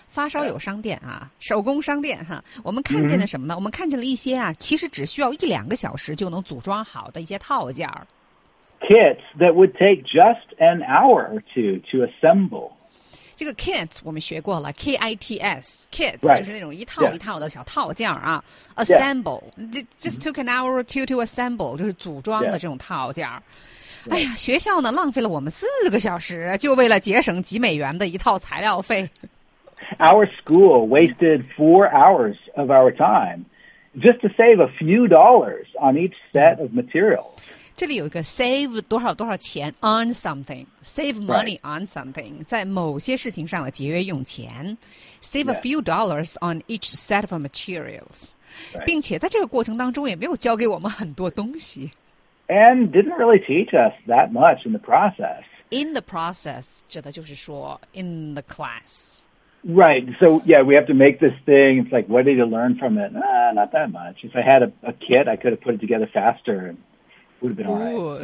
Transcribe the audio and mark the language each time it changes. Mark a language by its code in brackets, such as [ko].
[zh] 发烧友商店啊，手工商店哈，我们看见了什么呢？我们看见了一些啊，其实只需要一两个小时就能组装好的一些套件。 [en] Kits that would take just an hour or two to assemble. [zh] 这个 kits 我们学过了 ，kits kits、 [en] right. [zh] 就是那种一套一套的小套件啊、，assemble、 [en] yeah. just took an hour or two to assemble [zh] 就是组装的这种套件、 [en] yeah. [zh] 哎呀，学校呢浪费了我们四个小时，就为了节省几美元的一套材料费。 [en] Our school wasted 4 hours of our time just to save a few dollars on each set of materials. [zh] 这里有一个 [en] save [zh] 多少多少钱 [en] on something, save money on something,、 right. [zh] 在某些事情上的节约用钱 [en] save a few dollars on each set of materials,、 right. [zh] 并且在这个过程当中也没有教给我们很多东西。 [en] And didn't really teach us that much in the process. In the process, 指的就是说 in the class. Right, so yeah, we have to make this thing. It's like, what did you learn from it? Not that much. If I had a kit, I could have put it together faster and would have been all right.